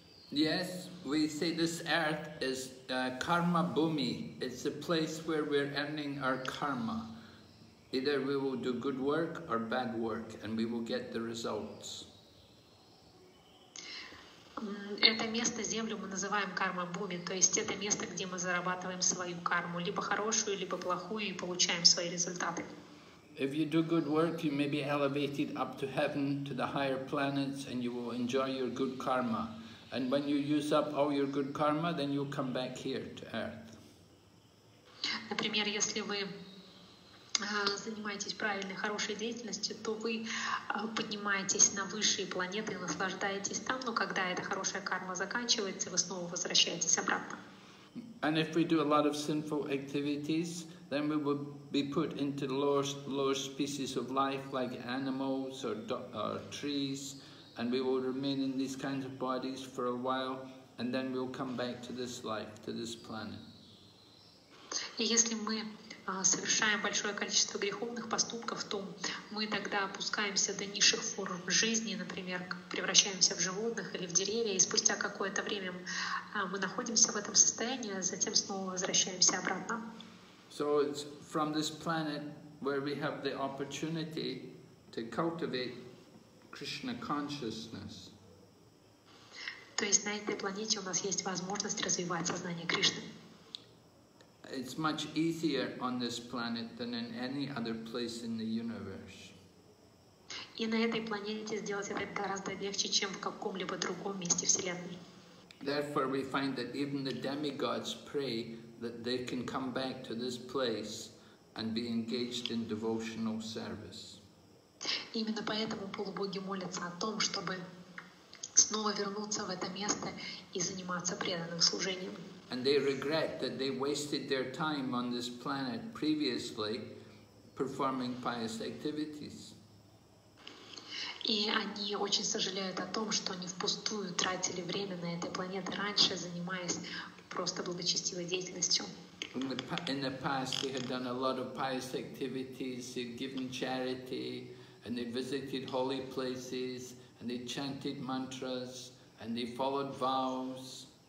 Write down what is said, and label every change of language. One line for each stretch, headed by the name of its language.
English: Yes, we say this earth is karma bhumi. It's a place where we're earning our karma. Either we will do good work or bad work, and we will get the results.
Russian: Это место, землю, мы называем карма-бхуми, то есть это место, где мы зарабатываем свою карму, либо хорошую, либо плохую, и получаем свои результаты.
English: If you do good work, you may be elevated up to heaven, to the higher planets, and you will enjoy your good karma. And when you use up all your good karma, then you'll come back here, to earth.
Russian: Например, если вы занимаетесь правильной, хорошей деятельностью, то вы поднимаетесь на высшие планеты и наслаждаетесь там, но когда эта хорошая карма заканчивается, вы снова возвращаетесь обратно.
English: And if we do a lot of sinful activities, then we will be put into lower species of life, like animals or trees, and we will remain in these kinds of bodies for a while, and then we'll come back to this life, to this planet.
Russian: И если мы совершаем большое количество греховных поступков, то мы тогда опускаемся до низших форм жизни, например, превращаемся в животных или в деревья, и спустя какое-то время мы находимся в этом состоянии, а затем снова возвращаемся обратно.
English: So it's from this planet where we have the opportunity to cultivate Krishna consciousness.
Russian: То есть на этой планете у нас есть возможность развивать сознание Кришны.
English: It's much easier on this planet than in any other place in the universe.
Russian: И на этой планете сделать это гораздо легче, чем в каком-либо другом месте Вселенной.
English: Therefore, we find that even the demigods pray that they can come back to this place and be engaged in devotional service.
Russian: Именно поэтому полубоги молятся о том, чтобы снова вернуться в это место и заниматься преданным служением.
English: And they regret that they wasted their time on this planet previously performing pious activities.
Russian: И они очень сожалеют о том, что они впустую тратили время на этой планете раньше, занимаясь просто благочестивой деятельностью.
English: In the past they had done a lot of pious activities, they'd given charity, and they visited holy places, and they chanted mantras, and they followed vows.